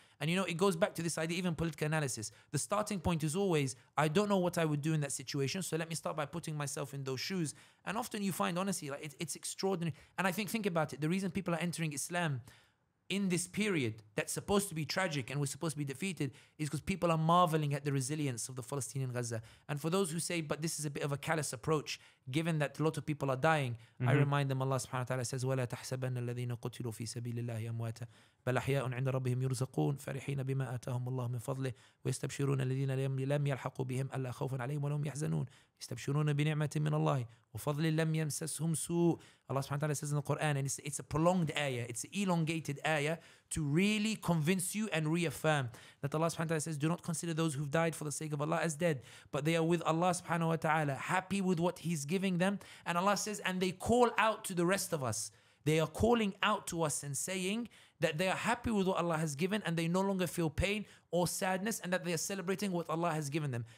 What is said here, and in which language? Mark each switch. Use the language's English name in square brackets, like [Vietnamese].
[English] And you know, it goes back to this idea, even political analysis. The starting point is always, I don't know what I would do in that situation, so let me start by putting myself in those shoes. And often you find, honestly, like it's extraordinary. And I think about it. The reason people are entering Islam in this period that's supposed to be tragic and we're supposed to be defeated is because people are marveling at the resilience of the Palestinian Gaza. And for those who say, but this is a bit of a callous approach, given that a lot of people are dying, mm-hmm. I remind them, Allah subhanahu wa ta'ala says, [Arabic] وَلَا تَحْسَبَنَّ الَّذِينَ قُتِلُوا فِي سَبِيلِ اللَّهِ أَمْوَاتَ بَلْ أَحْيَاءٌ عِنْدَ رَبِّهِمْ يُرْزَقُونَ فَرِحِينَ بِمَا آتَاهُمُ اللَّهُ مِنْ فَضْلِهِ وَيَسْتَبْشِرُونَ الَّذِينَ لَمْ يَلْحَقُوا بِهِمْ أَلَّا خَوْفٌ عَلَيْهِمْ وَلَا هُمْ يَحْزَنُونَ يَسْتَبْشِرُونَ بِنِعْمَةٍ مِنْ اللَّهِ وَفَضْلٍ لَمْ يَمْسَسْهُمْ سُوءٌ. [English] Allah subhanahu wa ta'ala says in the Quran, and it's a prolonged ayah, it's an elongated ayah to really convince you and reaffirm that Allah subhanahu wa ta'ala says, do not consider those who've died for the sake of Allah as dead, but they are with Allah subhanahu wa ta'ala, happy with what He's giving them. And Allah says, and they call out to the rest of us. They are calling out to us and saying that they are happy with what Allah has given, and they no longer feel pain or sadness, and that they are celebrating what Allah has given them.